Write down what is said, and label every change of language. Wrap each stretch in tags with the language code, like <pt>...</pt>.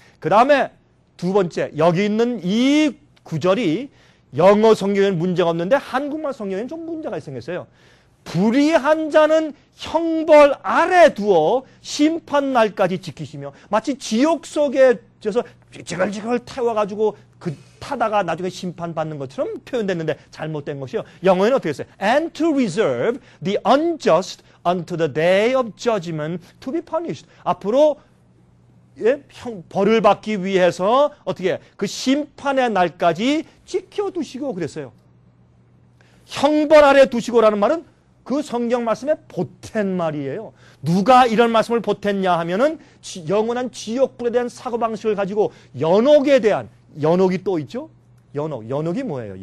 <ko>그 다음에 두 번째, 여기 있는 이 구절이 영어 성경에는 문제가 없는데 한국말 성경에는 좀 문제가 생겼어요. 불의한 자는 형벌 아래 두어 심판 날까지 지키시며, 마치 지옥 속에 쥐어서 지글지글 태워가지고 그 타다가 나중에 심판받는 것처럼 표현됐는데 잘못된 것이요. 영어에는 어떻게 했어요?</ko> <en>And to reserve the unjust unto the day of judgment to be punished.</en> <ko>앞으로 예? 형, 벌을 받기 위해서 어떻게 그 심판의 날까지 지켜두시고 그랬어요. 형벌 아래 두시고라는 말은 그 성경 말씀에 보탠 말이에요. 누가 이런 말씀을 보탠냐 하면은 영원한 지옥불에 대한 사고방식을 가지고 연옥에 대한, 연옥이 또 있죠? 연옥. 연옥이 뭐예요?</ko>